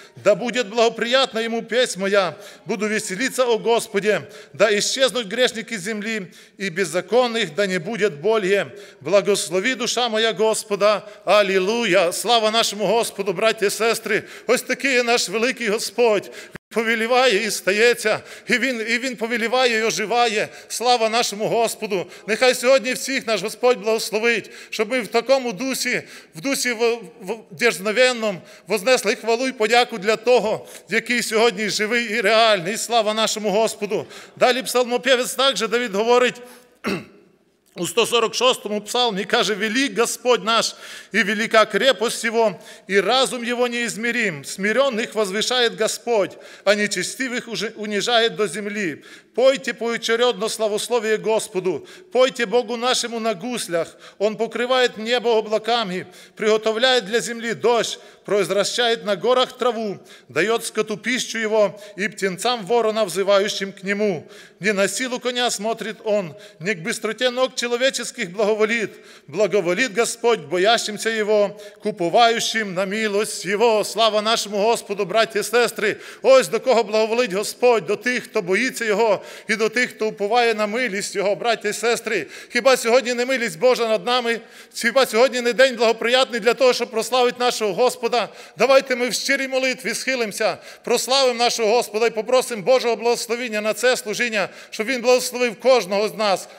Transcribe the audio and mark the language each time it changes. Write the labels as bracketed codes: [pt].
[ru] Да будет благоприятна Ему песнь моя, буду веселиться о Господе. Да исчезнут грешники земли, и беззаконных да не будет более. Благослови душа моя Господа, аллилуйя. Слава нашему Господу, братья и сестры, [uk] ось такий наш великий Господь. Повелеває і стається, і він повелеває і оживає. Слава нашому Господу! Нехай сьогодні всіх наш Господь благословить, щоб ми в такому дусі, в дусі дерзновенному, вознесли хвалу і подяку для того, який сьогодні живий і реальний. Слава нашому Господу! Далі псалмопевець також Давид говорить у 146-му псалмі, каже, [ru] «Велик Господь наш, і велика крепость Его, і разум Его неизмерим. Смиренных возвышает Господь, а нечестивых унижает до земли. Пойте поочередно славословие Господу, пойте Богу нашему на гуслях. Он покрывает небо облаками, приготовляет для земли дождь, произращает на горах траву, дает скоту пищу его и птенцам ворона, взывающим к нему. Не на силу коня смотрит он, не к быстроте ног человеческих благоволит. Благоволит Господь боящимся его, куповающим на милость его». Слава нашему Господу, братья и сестры! [uk] Ось до кого благоволить Господь, до тих, хто боїться Його, і до тих, хто уповає на милість Його, браття і сестри. Хіба сьогодні не милість Божа над нами? Хіба сьогодні не день благоприятний для того, щоб прославити нашого Господа? Давайте ми в щирій молитві схилимося, прославимо нашого Господа і попросимо Божого благословення на це служіння, щоб Він благословив кожного з нас.